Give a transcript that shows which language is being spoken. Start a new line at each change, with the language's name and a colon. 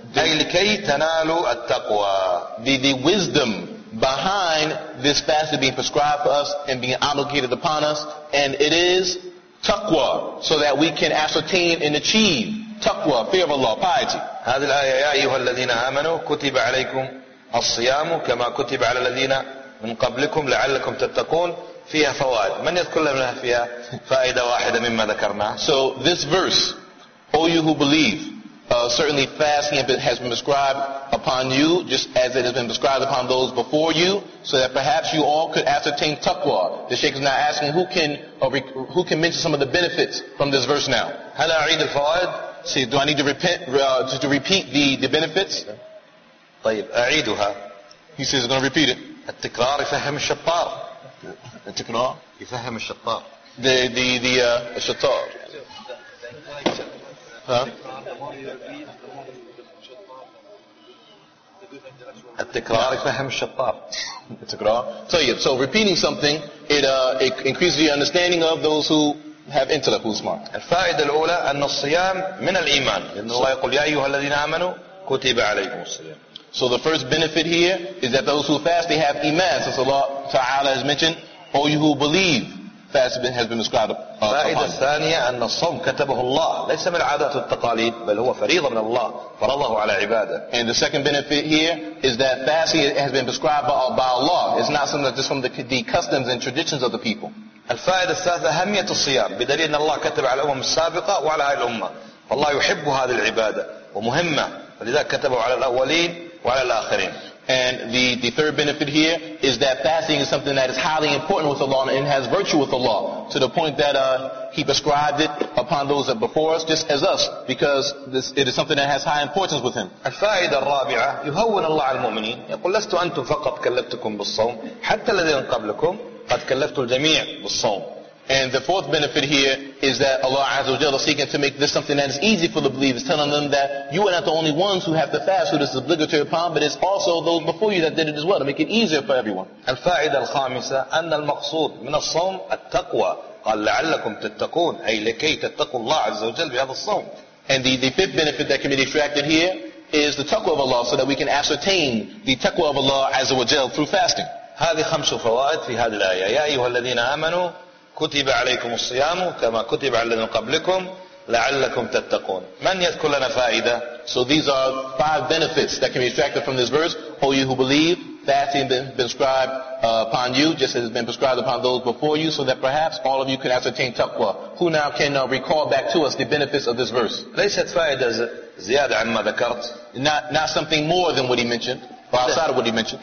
Arabic: أي لكي تنالوا التقوى.
English: The wisdom behind this fasting being prescribed for us and being obligated upon us, and it is taqwa, so that we can ascertain and achieve taqwa, fear of Allah, piety.
Arabic: هذه الآية يا أيها الذين آمنوا كتب عليكم الصيام كما كتب على الذين من قبلكم لعلكم تتقون فيها فوائد. من يذكر لنا فيها فائدة واحدة مما ذكرناه.
English: So this verse, O you who believe, certainly fasting has been prescribed upon you just as it has been prescribed upon those before you, so that perhaps you all could ascertain taqwa. The Shaykh is now asking who can mention some of the benefits from this verse now.
Arabic: هل أعيد الفوائد؟
English: See, do I need to repeat to repeat the benefits?
Arabic: طيب أعيدها.
English: He says he's going to repeat it.
Arabic: التكرار يفهم الشطار. التكرار يفهم الشطار.
English: The الشطار.
Arabic: التكرار يفهم الشطار. التكرار.
English: So repeating something, it increases the understanding of those who have intellect, who are smart.
Arabic: الفائدة الأولى أن الصيام من الإيمان. إن الله يقول يا أيها الذين آمنوا كتب عليكم الصيام.
English: So the first benefit here is that those who fast, they have iman. Since Allah Ta'ala has mentioned, O you who believe, fasting has been prescribed upon.
Arabic: الفائدة الثانية أن الصوم كتبه الله ليس من العادات والتقاليد بل هو فريضة من الله فرضه على عباده.
English: And the second benefit here is that fasting has been prescribed by Allah. It's not something that's just from the customs and traditions of the people.
Arabic: الفائدة الثالثة أهمية الصيام بدليل أن الله كتب على الأمم السابقة وعلى هذه الأمة فالله يحب هذه العبادة ومهمة ولذا كتبه على الأولين وعلى الآخرين.
English: And the third benefit here is that fasting is something that is highly important with Allah and has virtue with Allah to the point that He prescribed it upon those that before us just as us because this, it is something that has high importance with Him.
Arabic: الفائدة الرابعة يهون الله على المؤمنين يقول لست أنتم فقط كلفتكم بالصوم حتى الذين قبلكم قد كلفتوا الجميع بالصوم.
English: And the fourth benefit here is that Allah Azza wa Jalla is seeking to make this something that is easy for the believers, telling them that you are not the only ones who have to fast, who this is obligatory upon, but it's also those before you that did it as well, to make it easier for everyone.
Arabic: الفائدة الخامسة أن المقصود من الصوم التقوى قال لعلكم تتقون أي لكي تتقوا الله عز وجل بهذا الصوم.
English: And the fifth benefit that can be extracted here is the taqwa of Allah, so that we can ascertain the taqwa of Allah Azza wa Jalla through fasting.
Arabic: هذه خمس فوائد في هذه الآية يا أيها الذين آمنوا كتب عليكم الصيام كما كتب على الذين قبلكم لعلكم تتقون. من يذكر لنا فائدة؟
English: So these are five benefits that can be extracted from this verse. O you who believe, fasting has been prescribed upon you, just as it has been prescribed upon those before you, so that perhaps all of you can ascertain taqwa. Who now can recall back to us the benefits of this verse?
Arabic: ليست فائدة زيادة عما ذكرت.
English: Not something more than what he mentioned, or outside of what he mentioned.